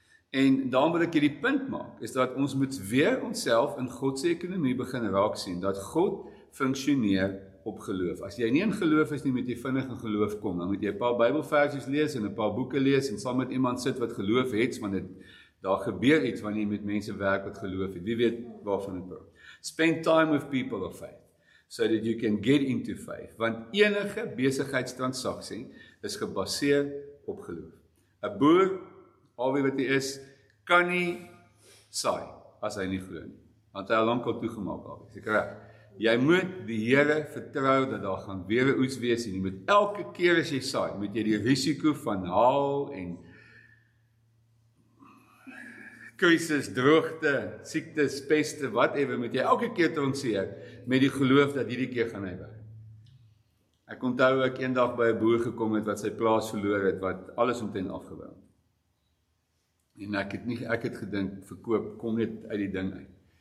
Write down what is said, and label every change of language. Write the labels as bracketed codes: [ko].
[af] En daarom wil ek hierdie punt maak, is dat ons moet weer onsself in God se ekonomie begin raak sien, dat God funksioneer op geloof. As jy nie in geloof is nie, moet jy vinnig in geloof kom. Dan moet jy 'n paar Bybelversies lees en 'n paar boeke lees en saam met iemand sit wat geloof het, want daar gebeur iets wanneer jy met mense werk wat geloof het. Wie weet waarvan ek praat? [en] Spend time with people of faith so that you can get into faith. [af] Want enige besigheidstransaksie is gebaseer op geloof. 'N Boer, al wie wat hy is, kan nie saai as hy nie glo nie. Want hy al lank al toegemaak al. Is ek reg? Jy moet die Here vertrou dat daar gaan weer oes wees en jy moet elke keer as jy saai, moet jy die risiko van haal en krisis, droogte, siektes, peste, whatever, moet jy elke keer trotseer met die geloof dat hierdie keer gaan hy werk. Ek onthou ek eendag by 'n boer gekom het wat sy plaas verloor het, wat alles omtrent afgebrand. En ek het gedink verkoop kom net uit die ding uit.